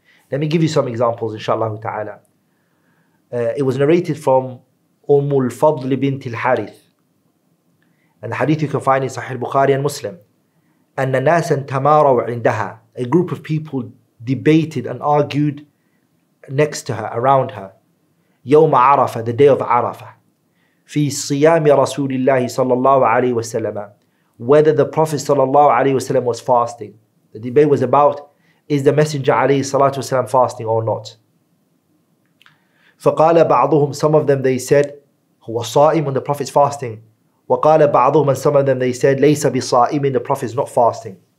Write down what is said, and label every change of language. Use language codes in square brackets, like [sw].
[en] Let me give you some examples, inshallah ta'ala. It was narrated from Ummul Fadl bint al-Harith. And the hadith you can find in Sahih Bukhari and Muslim. [ar] أَنَّ نَاسًا تَمَارَوْا عِنْدَهَا. [en] A group of people debated and argued next to her, around her. [ar] يوم عرفة, [en] the day of عرفة. [ar] في صيام رسول الله صلى الله عليه وسلم. [en] Whether the Prophet [ar] صلى الله عليه وسلم [en] was fasting. The debate was about, is the Messenger [ar] عليه الصلاة والسلام [en] fasting or not? [ar] فقال بعضهم, [en] some of them they said, [ar] هو صائم, [en] when the Prophet's fasting. [ar] وقال بعضهم, [en] and some of them they said, [ar] ليس بصائم, [en] the Prophet's not fasting.